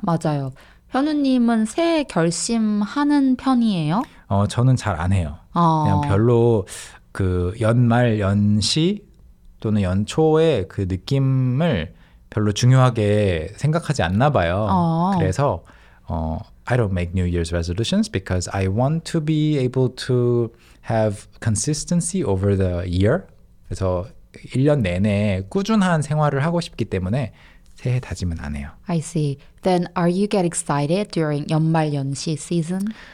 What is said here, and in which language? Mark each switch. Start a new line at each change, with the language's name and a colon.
Korean: 맞아요. 현우님은 새해 결심하는 편이에요? 저는 잘 안 해요. 그냥 별로 그 연말, 연시 또는 연초의 그 느낌을 별로 중요하게 생각하지 않나 봐요. 그래서
English: I don't make New Year's resolutions because I want to be able to have consistency over the year.
Korean: 그래서 1년 내내 꾸준한 생활을 하고 싶기 때문에 새해 다짐은 안 해요.
English: I see. Then are you get excited during 연말 연시 season?